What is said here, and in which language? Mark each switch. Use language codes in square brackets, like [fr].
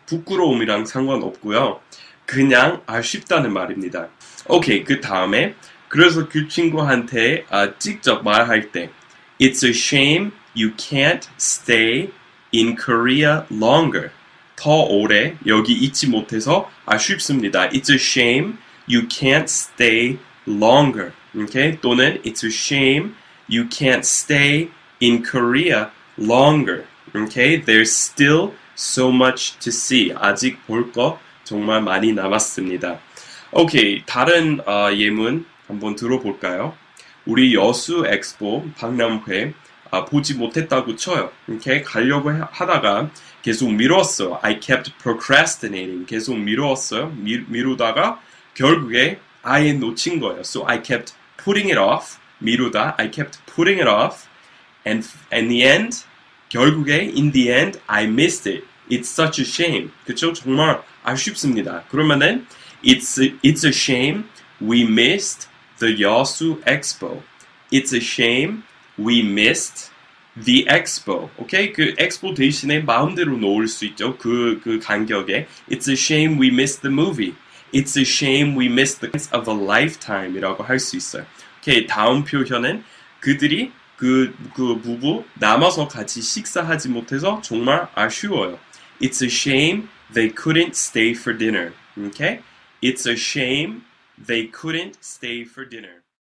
[ko] 부끄러움이랑 상관없고요. 그냥 아쉽다는 말입니다. 오케이, 그 다음에 그래서 그 친구한테 직접 말할 때 [en] It's a shame you can't stay in Korea longer. [ko] 더 오래 여기 있지 못해서 아쉽습니다. [en] It's a shame you can't stay longer. Okay? 또는 It's a shame you can't stay in Korea longer. Okay, there's still so much to see. [ko] 아직 볼 거 정말 많이 남았습니다. Okay, 다른 예문 한번 들어볼까요? 우리 여수 엑스포 박람회 보지 못했다고 쳐요. Okay, 가려고 하다가 계속 미뤘어요. [en] I kept procrastinating. [ko] 계속 미뤘어요. 미루다가 결국에 아예 놓친 거예요. [en] So I kept putting it off. [ko] 미루다. [en] I kept putting it off. And in the end, [ko] 결국에 [en] in the end, I missed it. It's such a shame. [ko] 그쵸? 정말 아쉽습니다. 그러면은 [en] it's a shame we missed the Yeosu Expo. It's a shame we missed the Expo. Okay? [ko] 그 Expo 대신에 마음대로 놓을 수 있죠. 그 간격에. [en] It's a shame we missed the movie. It's a shame we missed the chance of a lifetime [ko] 이라고 할 수 있어요. Okay, 다음 표현은 그들이 그 부부 남아서 같이 식사하지 못해서 정말 아쉬워요. [en] It's a shame they couldn't stay for dinner. Okay? It's a shame they couldn't stay for dinner.